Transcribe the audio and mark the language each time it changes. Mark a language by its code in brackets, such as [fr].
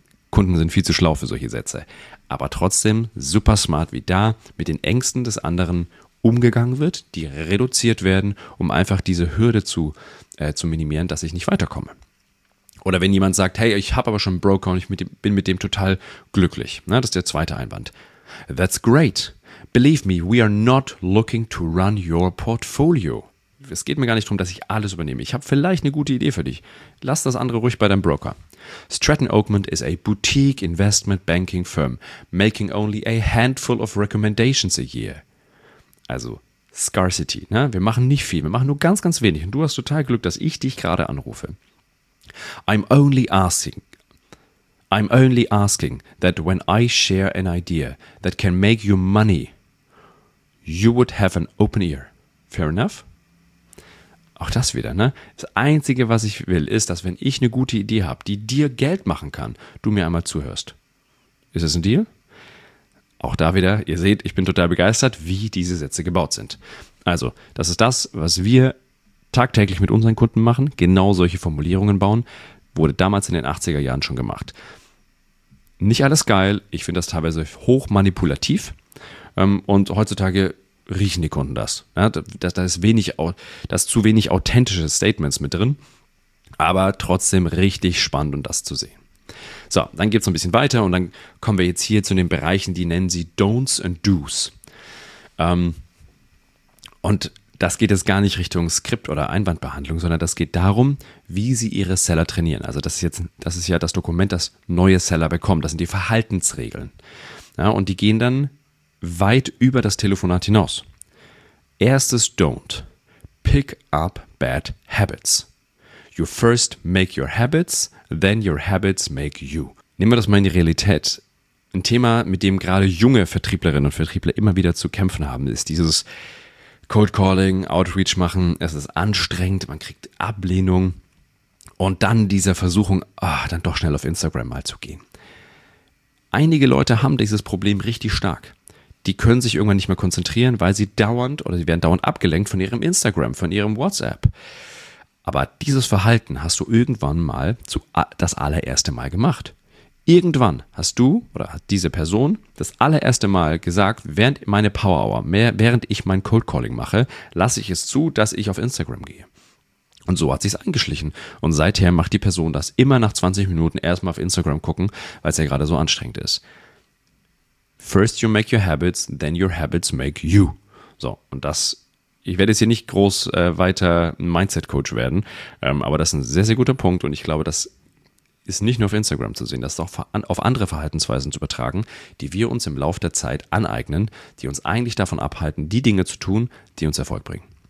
[de] Kunden sind viel zu schlau für solche Sätze. Aber trotzdem super smart, wie da mit den Ängsten des anderen umgegangen wird, die reduziert werden, um einfach diese Hürde zu minimieren, dass ich nicht weiterkomme. Oder wenn jemand sagt, hey, ich habe aber schon einen Broker und bin mit dem total glücklich. Na, das ist der zweite Einwand. [en] That's great. Believe me, we are not looking to run your portfolio. [de] Es geht mir gar nicht darum, dass ich alles übernehme. Ich habe vielleicht eine gute Idee für dich. Lass das andere ruhig bei deinem Broker. [en] Stratton Oakman is a boutique investment banking firm, making only a handful of recommendations a year. [de] Also Scarcity. Ne? Wir machen nicht viel, wir machen nur ganz, ganz wenig. Und du hast total Glück, dass ich dich gerade anrufe. [en] I'm only asking that when I share an idea that can make you money, you would have an open ear. Fair enough? [de] Auch das wieder, ne? Das Einzige, was ich will, ist, dass wenn ich eine gute Idee habe, die dir Geld machen kann, du mir einmal zuhörst. Ist es ein Deal? Auch da wieder, ihr seht, ich bin total begeistert, wie diese Sätze gebaut sind. Also, das ist das, was wir tagtäglich mit unseren Kunden machen, genau solche Formulierungen bauen, wurde damals in den 80er Jahren schon gemacht. Nicht alles geil, ich finde das teilweise hoch manipulativ und heutzutage riechen die Kunden das. Ja, da ist zu wenig authentische Statements mit drin, aber trotzdem richtig spannend, um das zu sehen. So, dann geht es ein bisschen weiter und dann kommen wir jetzt hier zu den Bereichen, die nennen sie Don'ts and Do's. Und das geht jetzt gar nicht Richtung Skript oder Einwandbehandlung, sondern das geht darum, wie sie ihre Seller trainieren. Also das ist ja das Dokument, das neue Seller bekommen. Das sind die Verhaltensregeln. Ja, und die gehen dann weit über das Telefonat hinaus. Erstes [en] Don't. Pick up bad habits. You first make your habits, then your habits make you. [de] Nehmen wir das mal in die Realität. Ein Thema, mit dem gerade junge Vertrieblerinnen und Vertriebler immer wieder zu kämpfen haben, ist dieses Cold Calling, Outreach machen. Es ist anstrengend, man kriegt Ablehnung. Und dann diese Versuchung, dann doch schnell auf Instagram mal zu gehen. Einige Leute haben dieses Problem richtig stark. Die können sich irgendwann nicht mehr konzentrieren, weil sie dauernd oder sie werden dauernd abgelenkt von ihrem Instagram, von ihrem WhatsApp. Aber dieses Verhalten hast du irgendwann mal das allererste Mal gemacht. Irgendwann hast du oder hat diese Person das allererste Mal gesagt, während meine Power Hour, während ich mein Cold Calling mache, lasse ich es zu, dass ich auf Instagram gehe. Und so hat sich's eingeschlichen. Und seither macht die Person das immer nach 20 Minuten erstmal auf Instagram gucken, weil es ja gerade so anstrengend ist. [en] First you make your habits, then your habits make you. [de] So, und das, ich werde jetzt hier nicht groß weiter ein Mindset-Coach werden, aber das ist ein sehr, sehr guter Punkt und ich glaube, das ist nicht nur auf Instagram zu sehen, das ist auch auf andere Verhaltensweisen zu übertragen, die wir uns im Laufe der Zeit aneignen, die uns eigentlich davon abhalten, die Dinge zu tun, die uns Erfolg bringen.